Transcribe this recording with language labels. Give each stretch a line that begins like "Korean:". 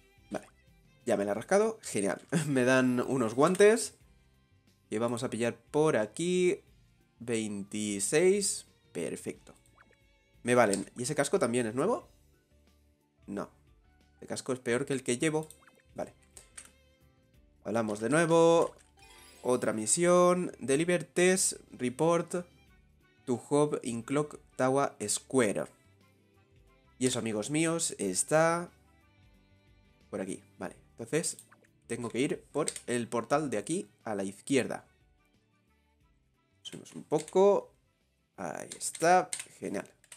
Spanish: Vale. Ya me la he rascado. Genial. Me dan unos guantes. Y vamos a pillar por aquí 26. Perfecto. Me valen. ¿Y ese casco también es nuevo? No. El casco es peor que el que llevo. Vale. Hablamos de nuevo. Otra misión.
English: Deliver test report to Hub in Clock Tower Square.
Spanish: Y eso, amigos míos, está por aquí. Vale, entonces tengo que ir por el portal de aquí a la izquierda. Subimos un poco. Ahí está. Genial.